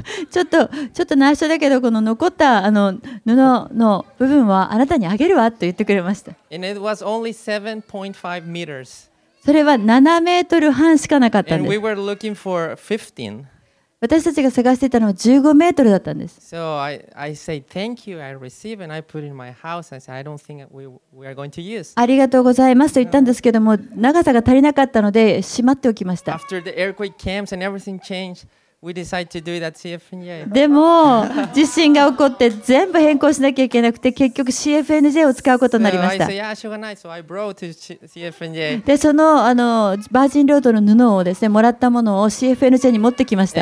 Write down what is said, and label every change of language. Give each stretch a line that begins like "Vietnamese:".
Japanese: ちょっと内緒だけどこの残った布の部分はあなたにあげるわと言ってくれました。
English: And it was only 7.5 meters.
Japanese: それは7メートル半しかなかったんです。
English: And we were looking for 15.
Japanese: 私たちが探していたのは15メートルだったんです。
English: So I say thank you, I receive, and I put in my house. I say I don't think we are going to use.
Japanese: ありがとうございますと言ったんですけども長さが足りなかったのでしまっておきました。
English: After the earthquake came and everything changed. We decided to do that CFNJ.
Japanese: でも地震が起こって全部変更しなきゃいけなくて結局 CFNJ を使うことになりました。でその、バージンロードの布をですねもらったものを CFNJ に持ってきました。